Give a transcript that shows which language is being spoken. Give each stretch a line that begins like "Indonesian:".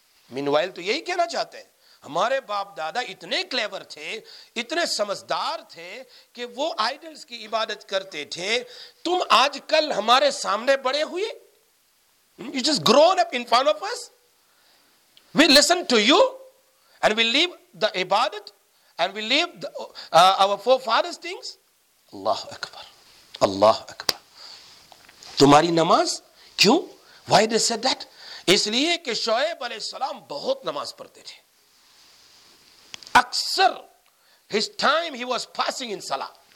Urdu: Meanwhile, تو یہی کہنا چاہتے ہیں ہمارے باپ دادا اتنے کلیور تھے، اتنے سمجھدار تھے کہ وہ آئیڈلز کی عبادت کرتے تھے، تم آج کل ہمارے سامنے بڑے ہوئے،
English: you just grown up in front of us. We listen to you and we leave the عبادت and we leave the, our forefathers things.
Urdu: اللہ اکبر، اللہ اکبر، تمہاری نماز کیوں؟
English: Why they said that؟
Urdu: اس لیے کہ شعیب علیہ السلام بہت نماز پڑھتے تھے، اکثر
English: his time he was passing in salah.